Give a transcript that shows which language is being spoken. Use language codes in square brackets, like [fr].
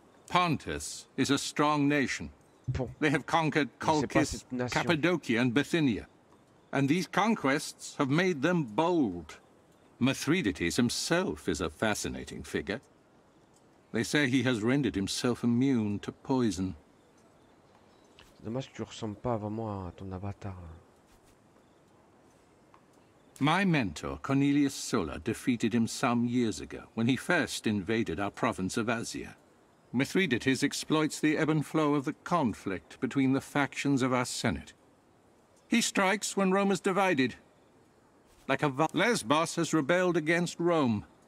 [en] Pontus is a strong nation. They have conquered Colchis, Cappadocia, and Bithynia. And these conquests have made them bold. Mithridates himself is a fascinating figure. They say he has rendered himself immune to poison. [fr] C'est dommage que tu ressembles pas vraiment à ton avatar. [en] My mentor, Cornelius Sulla, defeated him some years ago when he first invaded our province of Asia. Mithridates exploits the ebb and flow of the conflict between the factions of our Senate. He strikes when Rome is divided. Like a Lesbos has rebelled against Rome.